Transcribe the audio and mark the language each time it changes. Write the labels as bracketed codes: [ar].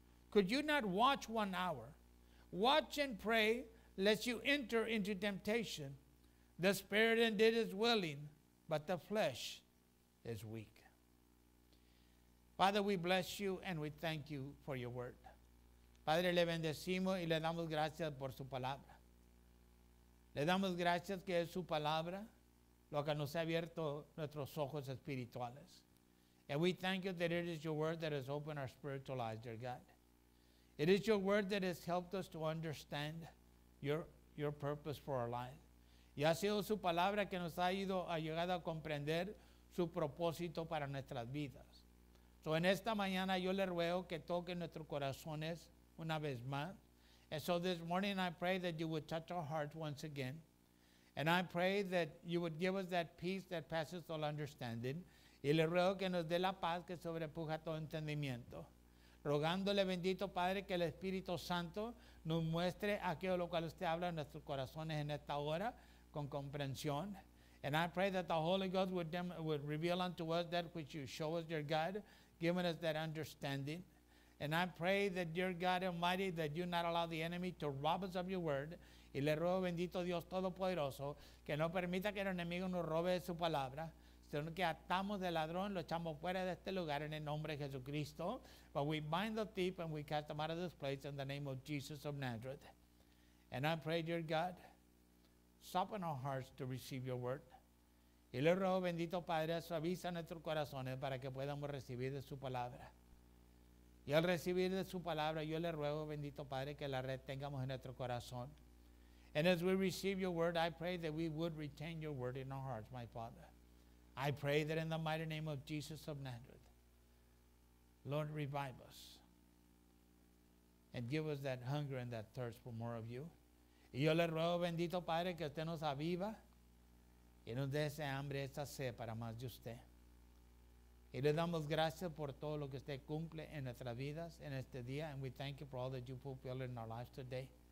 [en] Could you not watch 1 hour? Watch and pray, lest you enter into temptation. The spirit indeed is willing, but the flesh is weak. Father, we bless you and we thank you for your word. [es] Padre, le bendecimos y le damos gracias por su palabra. Le damos gracias que es su palabra lo que nos ha abierto nuestros ojos espirituales. [en] And we thank you that it is your word that has opened our spiritual eyes, dear God. It is your word that has helped us to understand your purpose for our life. [es] Y ha sido su palabra que nos ha llegado a comprender su propósito para nuestras vidas. So en esta mañana yo le ruego que toque nuestros corazones una vez más. [en] And so this morning I pray that you would touch our hearts once again. And I pray that you would give us that peace that passes all understanding. [es] Y le ruego que nos dé la paz que sobrepuja todo entendimiento. Rogándole, bendito Padre, que el Espíritu Santo nos muestre aquello lo cual usted habla en nuestros corazones en esta hora con comprensión. [en] And I pray that the Holy Ghost would reveal unto us that which you show us, dear God, giving us that understanding. And I pray that, dear God Almighty, that you not allow the enemy to rob us of your word. [es] Y le ruego, bendito Dios Todopoderoso, que no permita que el enemigo nos robe de su palabra, sino que atamos del ladrón, lo echamos fuera de este lugar en el nombre de Jesucristo. [en] But we bind the thief and we cast him out of this place in the name of Jesus of Nazareth. And I pray, dear God, soften our hearts to receive your word. [es] Y le ruego, bendito Padre, suaviza nuestros corazones para que podamos recibir de su palabra. Y al recibir de su palabra, yo le ruego, bendito Padre, que la retengamos en nuestro corazón. [en] And as we receive your word, I pray that we would retain your word in our hearts, my Father. I pray that in the mighty name of Jesus of Nazareth, Lord, revive us. And give us that hunger and that thirst for more of you. [es] Y yo le ruego, bendito Padre, que usted nos aviva y nos dé ese hambre, esa sed para más de usted. Y le damos gracias por todo lo que usted cumple en nuestras vidas en este día. [en] And we thank you for all that you fulfill in our lives today.